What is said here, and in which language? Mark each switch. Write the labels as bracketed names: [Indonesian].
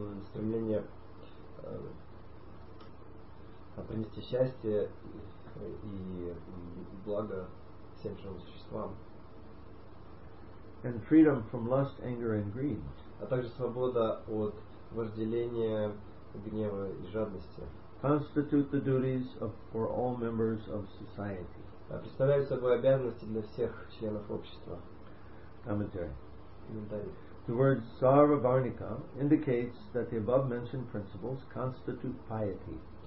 [Russian] Стремление принести счастье и благо всем живым существам. [English] And freedom from lust, anger, and greed. [Russian] А также свобода от вожделения, гнева и жадности. [English] Constitute the duties of for all members of society. [Russian] Представляют собой обязанности для всех членов общества. [English] Commentary. The word sarvabharnika indicates that the above mentioned principles constitute piety.